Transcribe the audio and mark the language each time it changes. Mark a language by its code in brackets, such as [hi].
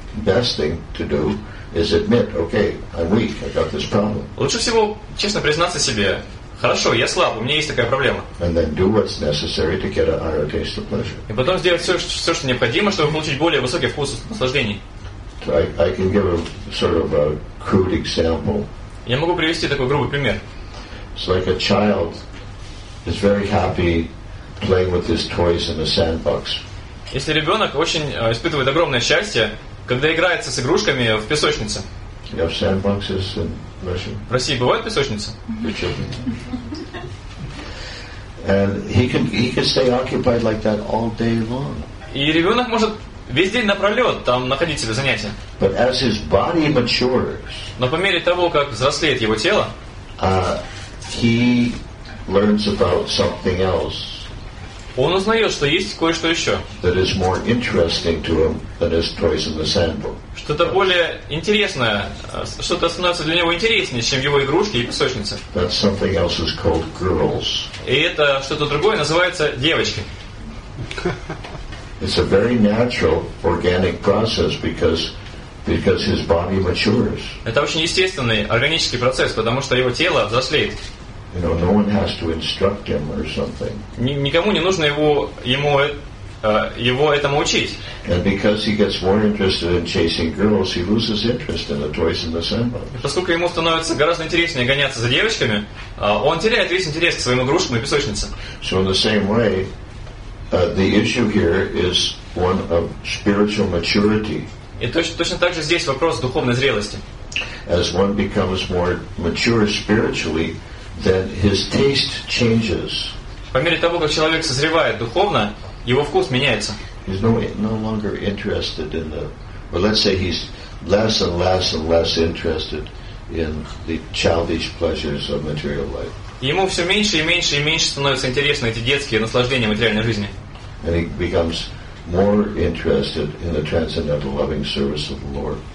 [en] Best thing to do is admit, okay, I'm weak, I got this problem. [ru] Лучше всего честно признаться себе, хорошо, я слаб, у меня есть такая проблема. [en] And then do what's necessary to get a higher taste of pleasure. [ru] И потом сделать все, что необходимо, чтобы получить более высокий вкус наслаждений. [en] I can give a sort of a crude example. [ru] Я могу привести такой грубый пример. [en] It's like a child is very happy playing with his toys in a sandbox. [ru] Если ребенок очень испытывает огромное счастье, когда играется с игрушками в песочнице. [en] You have sandboxes in Russia? [ru] В России бывают песочницы? [en] And he can stay occupied like that all day long. [ru] И ребенок может Весь день напролет там находить себе занятия. [en] But as his body matures, [ru] но по мере того, как взрослеет его тело, [en] he learns about something else. [ru] Он узнает, что есть кое-что еще. [en] That is more interesting to him than his toys in the sandbox. [ru] Что-то более интересное, что-то становится для него интереснее, чем его игрушки и песочницы. [en] That something else is called girls. [ru] И это что-то другое называется девочки. [en] It's a very natural organic process because his body matures. [ru] Это очень естественный органический процесс, потому что его тело взрослеет. [en] You know, no one has to instruct him or something. [ru] Никому не нужно его этому учить. [en] And because he gets more interested in chasing girls, he loses interest in the toys in the sandbox. [ru] Поскольку ему становится гораздо интереснее гоняться за девочками, он теряет весь интерес к своим игрушкам и песочницам. [en] So in the same way, the issue here is one of spiritual maturity. [ru] И точно так же здесь вопрос духовной зрелости. [en] As one becomes more mature spiritually, then his taste changes. [ru] По мере того, как человек созревает духовно, его вкус меняется. [en] He's no longer interested in the, or let's say he's less and less and less interested in the childish pleasures of material life. [ru] Ему все меньше и меньше и меньше становятся интересны эти детские наслаждения материальной жизни. [en] And he becomes more interested in the transcendental loving service of the Lord.